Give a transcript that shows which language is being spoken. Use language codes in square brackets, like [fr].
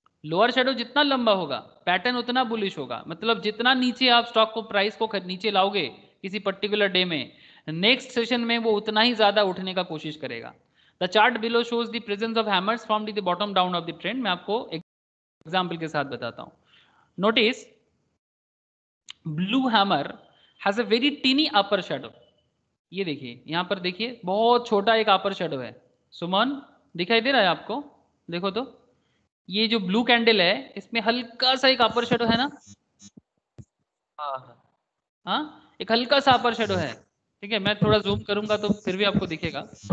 [hi] Lower shadow जितना लंबा होगा पैटर्न उतना बुलिश होगा, मतलब जितना नीचे आप स्टॉक को प्राइस को नीचे लाओगे किसी पर्टिकुलर डे में, नेक्स्ट सेशन में वो उतना ही ज्यादा उठने का कोशिश करेगा. [en] The chart below shows the presence of hammers formed in the bottom down of the trend. [hi] मैं आपको एक एग्जाम्पल के साथ बताता हूँ. [en] Notice blue hammer has a very teeny upper shadow. [hi] ये देखिए यहाँ पर देखिए बहुत छोटा एक अपर शेडो है. सुमन दिखाई दे रहा है आपको? देखो तो ये जो ब्लू कैंडल है इसमें हल्का सा एक अपर शेडो है ना. हाँ एक हल्का सा अपर शेडो है, ठीक है, मैं थोड़ा जूम करूंगा तो फिर भी आपको दिखेगा.